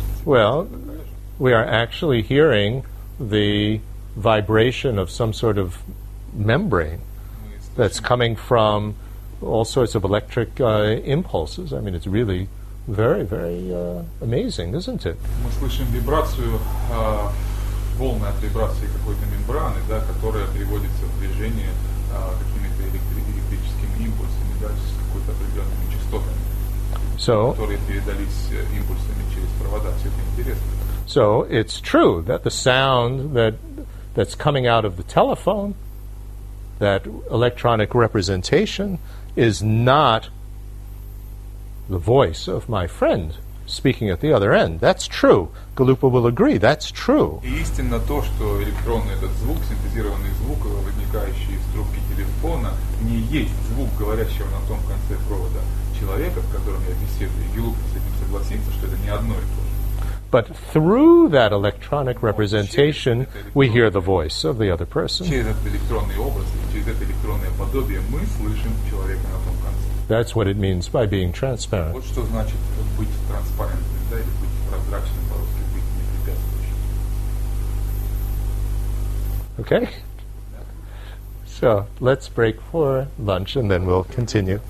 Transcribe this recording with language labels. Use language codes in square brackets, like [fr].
[en] Well, we are actually hearing the vibration of some sort of membrane that's coming from all sorts of electric impulses. I mean, it's really very, very amazing, isn't it? [ru] Мы слышим вибрацию волны от вибрации какой-то мембраны, да, которая приводится в движение какими-то электрическими импульсами, да, с какой-то определенными частотами, [en] so, [ru] которые передались импульсами через провода. Все это интересно. [en] So it's true that the sound that's coming out of the telephone, that electronic representation, is not the voice of my friend speaking at the other end. That's true. Galupa will agree. That's true. [ru] Истинно то, что электронный этот звук, синтезированный звук, возникающий из трубки телефона, не есть звук говорящего на том конце провода человека, с которым я беседую. Галупа с этим согласится, что это не одно и то же. [en] But through that electronic representation, we hear the voice of the other person. [ru] Через этот электронный образ, через это электронное подобие, мы слышим человека на том конце. [en] That's what it means by being transparent. [ru] Вот что значит быть транспарентным, да, или быть прозрачным по-русски, быть непрепятствующим. [en] Okay. So, let's break for lunch, and then we'll continue.